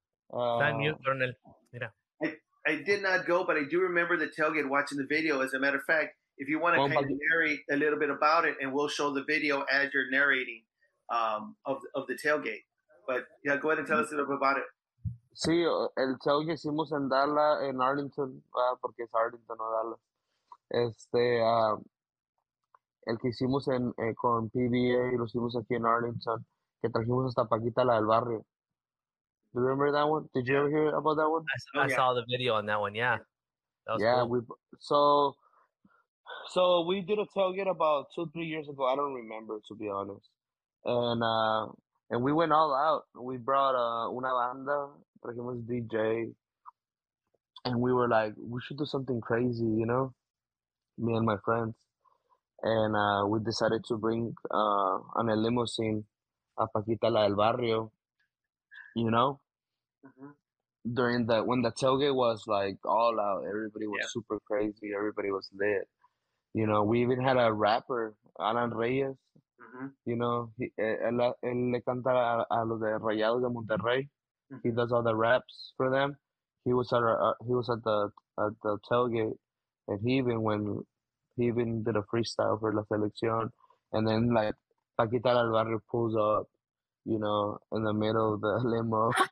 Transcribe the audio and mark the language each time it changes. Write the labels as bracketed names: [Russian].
[Spanish] Coronel. Mira. [English] I did not go, but I do remember the tailgate, watching the video. As a matter of fact, if you want to kind of narrate a little bit about it, and we'll show the video as you're narrating of the tailgate. But yeah, go ahead and tell us a little bit about it. [Spanish] Sí, el tailgate hicimos en Dallas, en Arlington, porque es Arlington, no Dallas. El que hicimos con PBA, lo hicimos aquí en Arlington, que trajimos hasta Paquita, la del barrio. [English] Do you remember that one? Did you ever hear about that one? I saw the video on that one, yeah. That was cool. So we did a tailgate about 2-3 years ago. I don't remember, to be honest. And we went all out. We brought [Spanish] una banda, trajimos DJ, [English] and we were like, we should do something crazy, you know? Me and my friends. And we decided to bring on a limousine a Paquita La del Barrio, you know? Mm-hmm. When the tailgate was like all out, everybody was super crazy, everybody was lit. You know, we even had a rapper, Alan Reyes, you know? [Spanish] Él le canta a los de Rayados de Monterrey. Mm-hmm. [English] He does all the raps for them. He was at the tailgate. And he even went, he even did a freestyle for La Selección. And then, like, Paquita del Barrio pulls up, you know, in the middle of the limo.